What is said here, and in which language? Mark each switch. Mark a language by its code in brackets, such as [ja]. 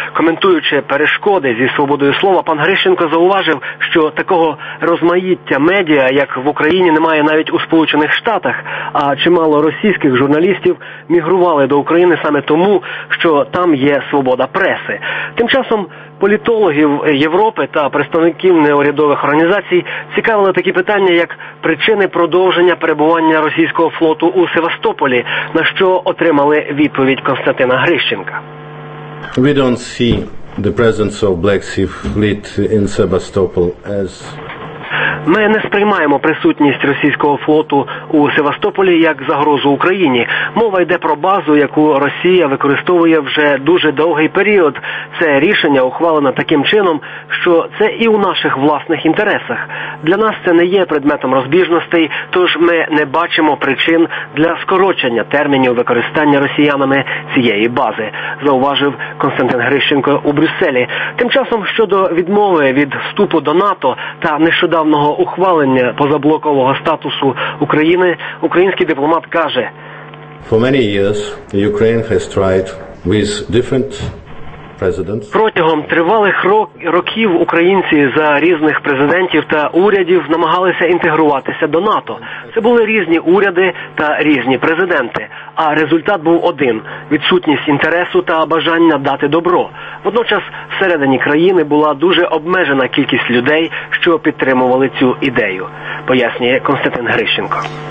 [uk] Коментуючи перешкоди зі свободою слова, пан Грищенко зауважив, що такого розмаїття медіа, як в Україні, немає навіть у Сполучених Штатах, а чимало російських журналістів мігрували до України саме тому, що там є свобода преси. Тим часом політологів Європи та представників неурядових організацій цікавили такі питання, як причини продовження перебування російського флоту у Севастополі, на що отримали відповідь Костянтина Грищенка. [en] We don't see the presence of Black Sea fleet in Sebastopol as... [uk] Ми не сприймаємо присутність російського флоту у Севастополі як загрозу Україні. Мова йде про базу, яку Росія використовує вже дуже довгий період. Це рішення ухвалено таким чином, що це і у наших власних інтересах. Для нас це не є предметом розбіжностей, тож ми не бачимо причин для скорочення термінів використання росіянами цієї бази, зауважив Костянтин Грищенко у Брюсселі. Тим часом щодо відмови від вступу до НАТО та нещодавно ухвалення позаблокового статусу України, український дипломат каже: [en] For many years Ukraine has tried with different presidents. [uk] Протягом тривалих років українці за різних президентів та урядів намагалися інтегруватися до НАТО. Це були різні уряди та різні президенти. А результат був один – відсутність інтересу та бажання дати добро. Водночас всередині країни була дуже обмежена кількість людей, що підтримували цю ідею, пояснює Костянтин Грищенко.